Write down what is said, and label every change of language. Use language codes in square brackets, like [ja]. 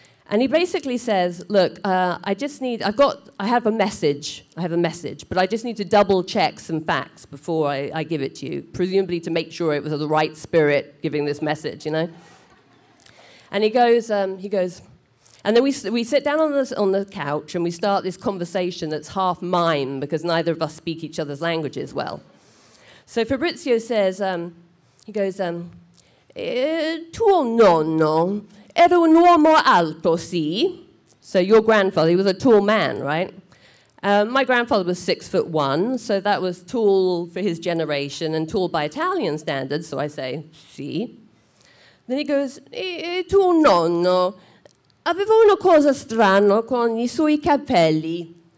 [en] And he basically says, look, I have a message, but I just need to double check some facts before I give it to you, presumably to make sure it was the right spirit giving this message, you know? And he goes, and then we sit down on the couch and we start this conversation that's half mime because neither of us speak each other's languages well. So Fabrizio says, [it] tuo nonno era un uomo alto, sì? [en] So your grandfather, he was a tall man, right? My grandfather was 6'1", so that was tall for his generation and tall by Italian standards, so I say, sì. Then he goes, [it] tuo nonno aveva una cosa strana con I suoi capelli.